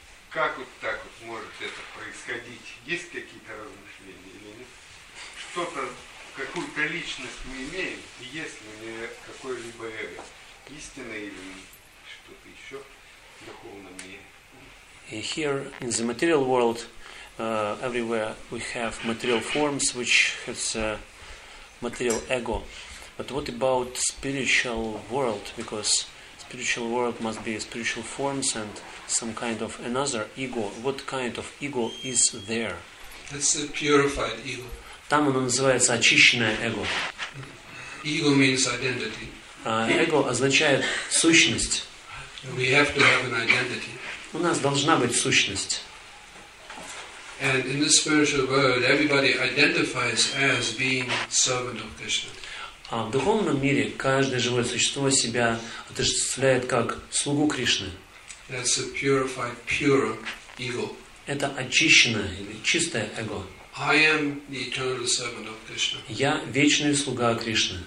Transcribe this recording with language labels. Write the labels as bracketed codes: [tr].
[ru] Как вот так вот может это происходить? Есть какие-то размышления или нет? Что-то, какую-то личность мы имеем, есть ли у нее какое-либо эго? Истинное или что-то еще в духовном мире? [en] И here, in the material world, everywhere we have material forms which has a material ego. But what about spiritual world? Because spiritual world must be spiritual forms and some kind of another ego. What kind of ego is there? It's a purified ego. [ru] Там оно называется очищенное эго. [en] Ego means identity. [ru] Эго означает сущность. [en] We have to have an identity. [ru] У нас должна быть сущность. [en] And in the spiritual world, everybody identifies as being servant of Krishna. [ru] А в духовном мире каждое живое существо себя отождествляет как слугу Кришны. [en] That's a purified, pure ego. [ru] Это очищенное или чистое эго. [en] I am the eternal servant of Krishna. [ru] Я вечный слуга Кришны.